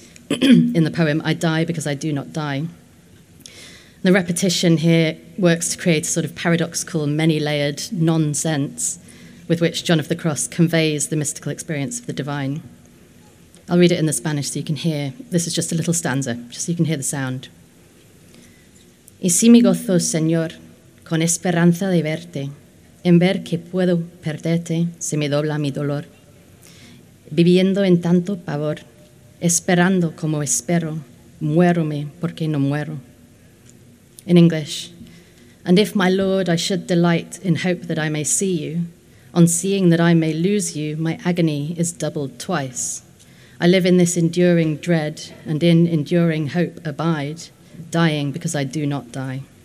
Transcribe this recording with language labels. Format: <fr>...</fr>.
<en>In the poem, I die because I do not die. The repetition here works to create a sort of paradoxical, many-layered nonsense with which John of the Cross conveys the mystical experience of the divine. I'll read it in the Spanish so you can hear. This is just a little stanza, just so you can hear the sound.</en> <es>Y si me gozo, Señor, con esperanza de verte, en ver que puedo perderte si me dobla mi dolor, viviendo en tanto pavor, esperando como espero, muérome porque no muero.</es> <en>In English, and if, my Lord, I should delight in hope that I may see you, on seeing that I may lose you, my agony is doubled twice. I live in this enduring dread, and in enduring hope abide, dying because I do not die.</en>